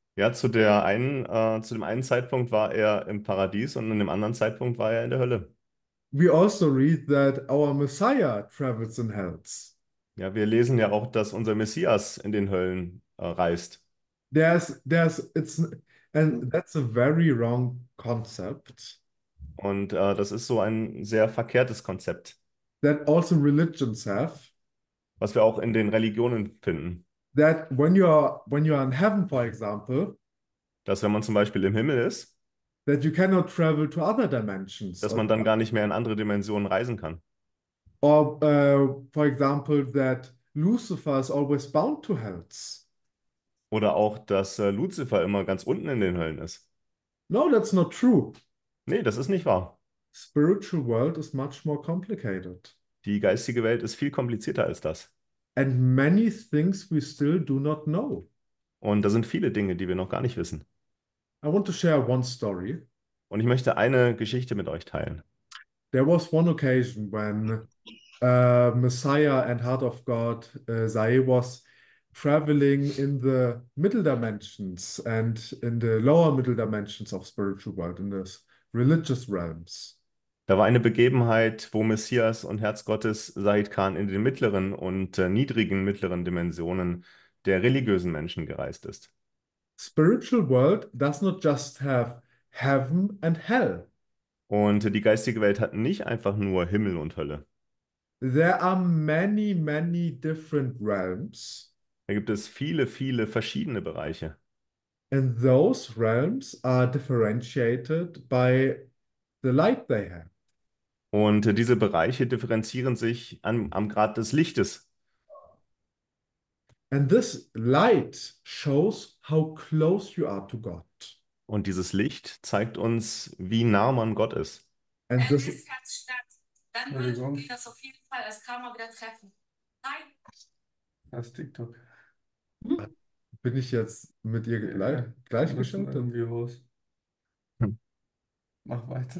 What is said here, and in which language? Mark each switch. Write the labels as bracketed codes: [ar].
[de] Ja, zu dem einen Zeitpunkt war er im Paradies und in dem anderen Zeitpunkt war er in der Hölle. [en] We also read that our Messiah travels in hells. [de] Ja, wir lesen ja auch, dass unser Messias in den Höllen reist. [en] And that's a very wrong concept. [de] Und das ist so ein sehr verkehrtes Konzept, [en] That also religions have. [de] was wir auch in den Religionen finden. [en] That when you are in heaven, for example, [de] Dass wenn man zum Beispiel im Himmel ist, [en] that you cannot travel to other dimensions. [de] dass man dann gar nicht mehr in andere Dimensionen reisen kann. [en] Or, for example, that Lucifer is always bound to hells. [de] Oder auch, dass Luzifer immer ganz unten in den Höllen ist. [en] No, that's not true. [de] Nee, das ist nicht wahr. [en] Spiritual world is much more complicated. [de] Die geistige Welt ist viel komplizierter als das. [en] And many things we still do not know. [de] Und da sind viele Dinge, die wir noch gar nicht wissen. [en] I want to share one story. [de] Und ich möchte eine Geschichte mit euch teilen. [en] There was one occasion when Messiah and Heart of God, Zahid was traveling in the middle dimensions and in the lower middle dimensions of spiritual world, in the religious realms. [de] Da war eine Begebenheit, wo Messias und Herz Gottes Zahid Khan in den mittleren und niedrigen mittleren Dimensionen der religiösen Menschen gereist ist. [en] Spiritual world does not just have heaven and hell. [de] Und die geistige Welt hat nicht einfach nur Himmel und Hölle. [en] There are many, many different realms. [de] Da gibt es viele, viele verschiedene Bereiche. [en] And those realms are differentiated by the light they have. [de] Und diese Bereiche differenzieren sich am Grad des Lichtes. [en] And this light shows how close you are to God. [de] Und dieses Licht zeigt uns, wie nah man Gott ist. Wenn die Stadt stand, dann würden wir das auf jeden Fall als Karma wieder treffen. Nein. Das TikTok. Bin ich jetzt mit ihr gleichgeschaltet? Lassen wir raus. Mach weiter.